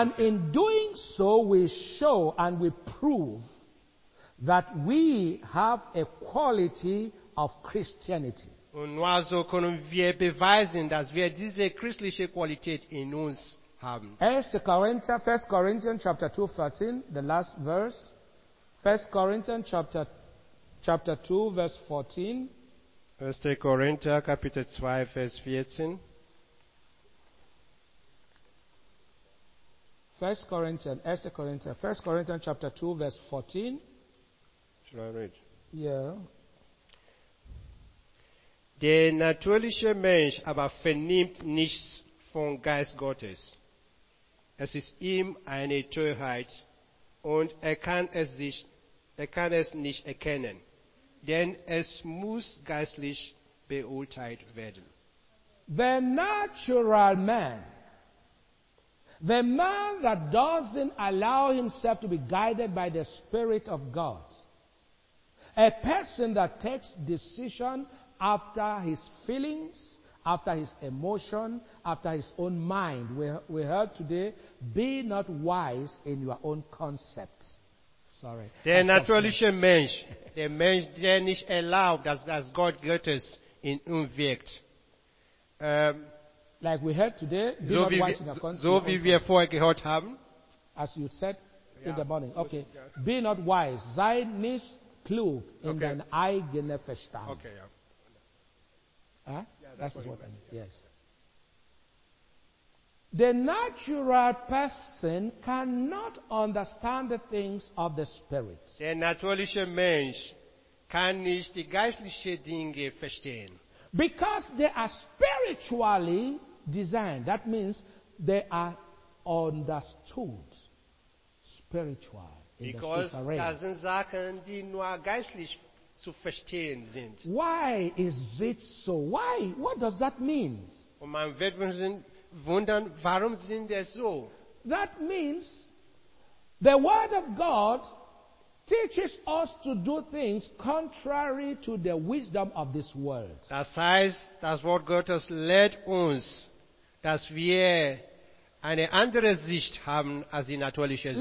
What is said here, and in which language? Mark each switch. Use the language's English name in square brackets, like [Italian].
[English] And in doing so, we show and we prove that we have a quality of Christianity. [German] Und nur so können wir beweisen, dass wir diese christliche Qualität in uns haben. [English] 1 Corinthians chapter 2, 14, the last verse. 1 Corinthians chapter 2, verse 14. 1 Corinthians chapter 2, verse 14. 1 Corinthians chapter 2, verse 14. Yeah. [German] Der natürliche Mensch aber vernimmt nichts vom Geist Gottes. Es ist ihm eine Torheit und er kann es nicht erkennen, denn es muss geistlich beurteilt werden. [English] The natural man, the man that doesn't allow himself to be guided by the Spirit of God, a person that takes decision after his feelings, after his emotion, after his own mind. We heard today, be not wise in your own concepts. Sorry. [German] Der natürliche Mensch, der Mensch, der nicht erlaubt, dass Gott Gottes in ihm wirkt. [English] Like we heard today, be not wise in your concepts. [German] So wie wir vorher gehört haben. [English] As you said. in the morning. Okay. Be not wise. [German] Sei nicht klug in dein eigenes Verstand. [English] Okay, yeah. That's what I mean. Yes. The natural person cannot understand the things of the spirit. [German] Der natürliche Mensch kann nicht die geistlichen Dinge verstehen. [English] Because they are spiritually designed. That means they are understood spiritual. [German] Because das sind Sachen, die nur geistlich zu verstehen sind. [English] Why is it so? Why? What does that mean? [German] Und man wird wundern, warum sind es so? [English] That means the Word of God teaches us to do things contrary to the wisdom of this world. [German] Das heißt, das Wort Gottes lehrt uns, dass wir eine andere Sicht haben als die natürliche Sicht.